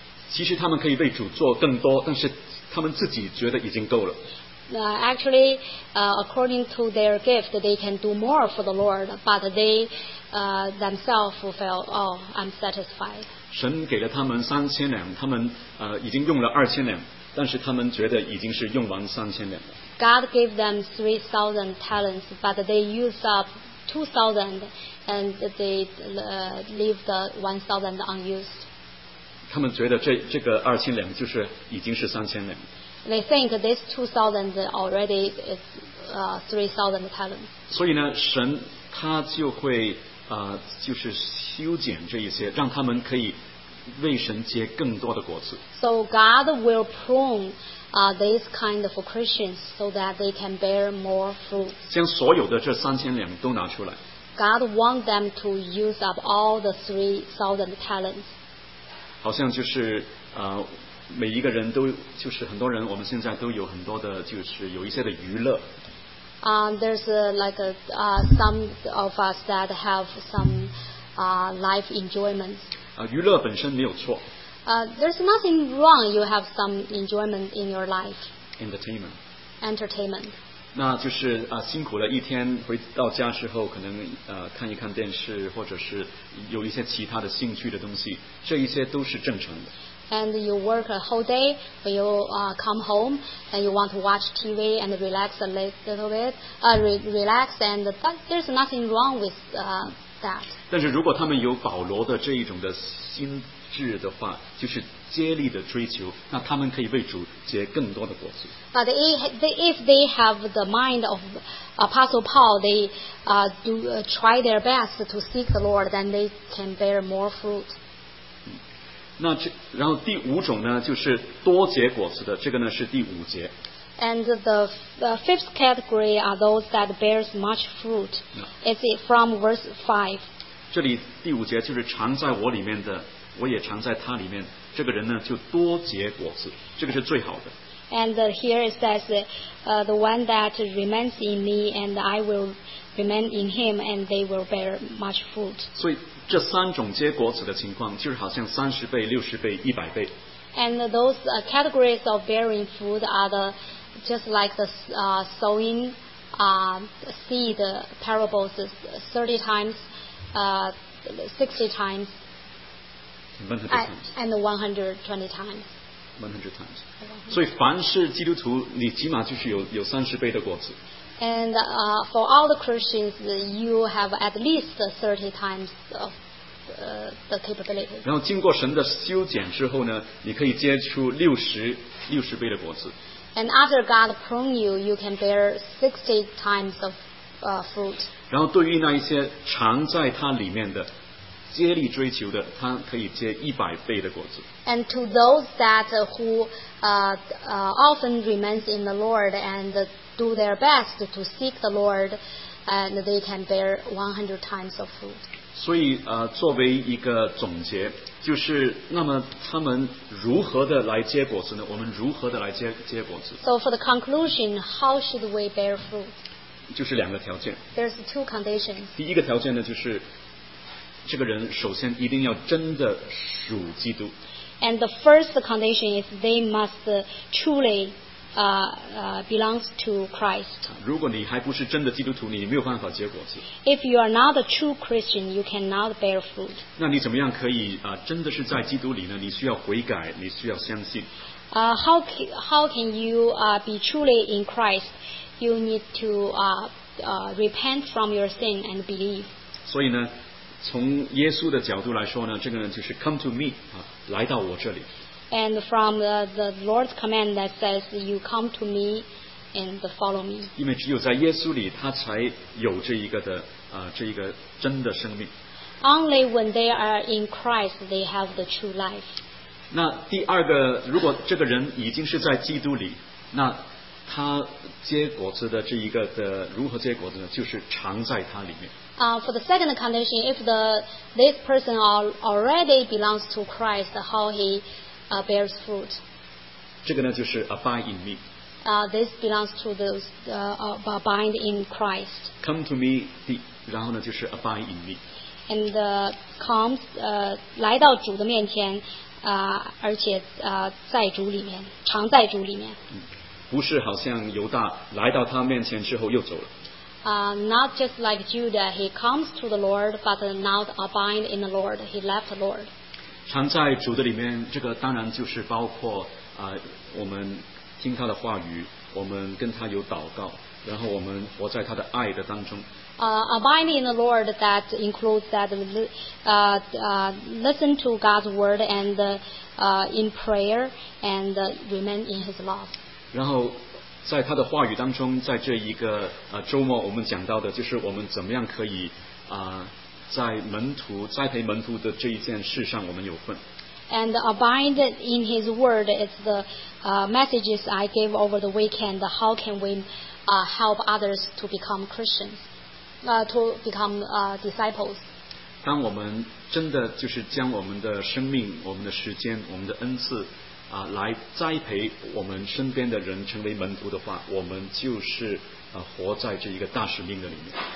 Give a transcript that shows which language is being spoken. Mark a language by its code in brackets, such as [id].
[zh] 其实他们可以为主做更多，但是他们自己觉得已经够了。 [en] Actually, according to their gift, they can do more for the Lord, but they themselves feel, I'm satisfied. [zh] 神给了他们三千两，他们已经用了二千两。但是他们觉得已经是用完三千两了。 [en] God gave them 3,000 talents, but they used up 2,000, and they leave the 1,000 unused. [zh] 他们觉得这个二千两就是已经是三千两。 [en] They think this 2,000 already is 3,000 talents. [zh] 所以呢，神他就会就是修剪这一些，让他们可以。为神结更多的果子。 [en] So God will prune these kind of Christians so that they can bear more fruit. [zh] 将所有的这三千两都拿出来。 [en] God wants them to use up all the 3,000 talents. [zh] 好像就是每一个人都就是很多人我们现在都有很多的就是有一些的娱乐。 [en] There's some of us that have some life enjoyments. [zh] 娱乐本身没有错。 [en] There's nothing wrong. You have some enjoyment in your life. Entertainment. Entertainment. [zh] 那就是辛苦了一天，回到家时候可能看一看电视，或者是有一些其他的兴趣的东西，这一些都是正常的。 [en] And you work a whole day, but you come home and you want to watch TV and relax a little bit. Relax and there's nothing wrong with. [zh] 但是如果他们有保罗的这一种的心智的话，就是竭力的追求，那他们可以为主结更多的果子。 [en] But if they have the mind of Apostle Paul, they try their best to seek the Lord, then they can bear more fruit. [zh] 那这然后第五种呢，就是多结果子的，这个呢是第五节。 [en] And the fifth category are those that bears much fruit. Is it from verse 5? [zh] 这里第五节就是常在我里面的，我也常在他里面。这个人呢，就多结果子，这个是最好的。 [en] And here it says, the one that remains in me and I will remain in him and they will bear much fruit. [zh] 所以这三种结果子的情况，就是好像三十倍、六十倍、一百倍。 [en] And those categories of bearing fruit are the, just like the sowing seed parables 30 times, 60 times, and 120 times. 100 times. [zh] 所以凡是基督徒, 你起码就是有 30倍的果子。 [en] And for all the Christians, you have at least 30 times of the capability. [zh] 然后经过神的修剪之后呢, 你可以结出60倍的果子。 [en] And after God prune you, you can bear 60 times of fruit. [zh] 然后对于那一些常在它里面的, 接力追求的, 他可以接100倍的果子。 [en] And to those that who often remains in the Lord and do their best to seek the Lord, and they can bear 100 times of fruit. [zh] 所以, 作为一个总结, 就是那么他们如何的来结果子呢? 我们如何的来结果子? [en] So for the conclusion, how should we bear fruit? [zh] 就是两个条件。 [en] There's two conditions. [zh] 第一个条件呢, 就是 这个人首先一定要真的属基督。 [en] And the first condition is they must truly belongs to Christ. [zh] 如果你还不是真的基督徒, 你没有办法结果子。 [en] If you are not a true Christian, you cannot bear fruit. [zh] 那你怎么样可以 真的是在基督里呢?你需要悔改, 你需要相信。 [en] How can you be truly in Christ? You need to repent from your sin and believe. [zh] 所以呢, 从耶稣的角度来说呢, 这个人就是 [en] come to me, [zh] 啊, 来到我这里。 [en] And from the Lord's command that says, you come to me and follow me. [zh] 因为只有在耶稣里, 他才有这一个的, 啊, 这一个真的生命。 [en] Only when they are in Christ, they have the true life. [zh] 那第二个, 如果这个人已经是在基督里, 那他结果子的这一个的, 如何结果子呢? 就是常在他里面。 [en] For the second condition, if this person already belongs to Christ, how he bears fruit? [zh] 这个呢就是 [en] abide in me. This belongs to those abide in Christ. Come to me, [zh] 然后呢就是 [en] abide in me. And comes [zh] 来到主的面前, 而且 在主里面, 常在主里面。不是好像犹大来到他面前之后又走了。 [en] Not just like Judah, he comes to the Lord, but not abide in the Lord. He left the Lord. [zh] 常在主的里面, 这个当然就是包括, 我们听他的话语, 我们跟他有祷告, 然后我们活在他的爱的当中。 [en] Abide in the Lord, that includes that listen to God's word and in prayer and remain in his love. [zh] 然后, 在他的话语当中, 在这一个, 周末我们讲到的就是我们怎么样可以, 在门徒, 栽培门徒的这一件事上, 我们有份。 [en] And abide in his word is the messages I gave over the weekend. How can we help others to become Christians, to become disciples? [zh] 当我们真的就是将我们的生命, 我们的时间, 我们的恩赐, 来栽培我们身边的人成为门徒的话, 我们就是, 活在这一个大使命的里面。